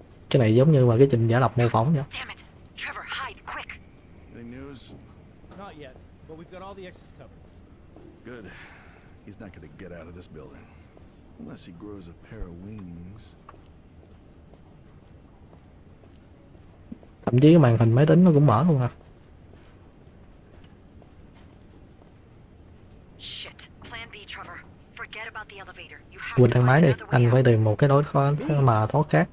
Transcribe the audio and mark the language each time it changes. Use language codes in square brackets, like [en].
[vi] Cái này giống như mà cái trình giả lập mô phỏng vậy. [en] Trevor, hide quick. Any news? Not yet, but we've got all the exits covered. Good. He's not going to get out of this building unless he grows a pair of wings. [vi] Thậm chí cái màn hình máy tính nó cũng mở luôn à. [en] Shit, plan B, Trevor. Forget about the elevator. You have [vi] Quên thang máy đi, anh phải tìm một cái lối khó mà thoát khác.